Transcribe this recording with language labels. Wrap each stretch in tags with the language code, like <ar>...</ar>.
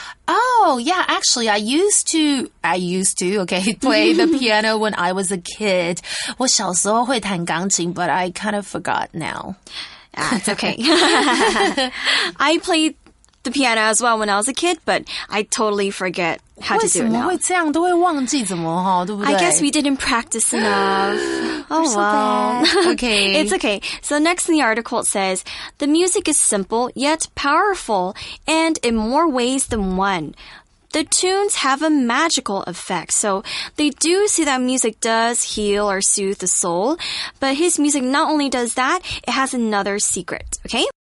<en>Oh yeah, actually I used to okay, play the piano when I was a kid.</en> <zh>我小时候会弹钢琴，</zh> <en>but I kind of forgot now It's okay. I played the piano as well when I was a kid, but I totally forget how to do it now.</en> <zh>为什么会这样？都会忘记怎么哈，对不对？</zh> <en>I guess we didn't practice enough. Oh, well. Okay. It's okay. So next in the article, it says, the music is simple yet powerful and in more ways than one. The tunes have a magical effect, so they do see that music does heal or soothe the soul, but his music not only does that, it has another secret, okay?</en>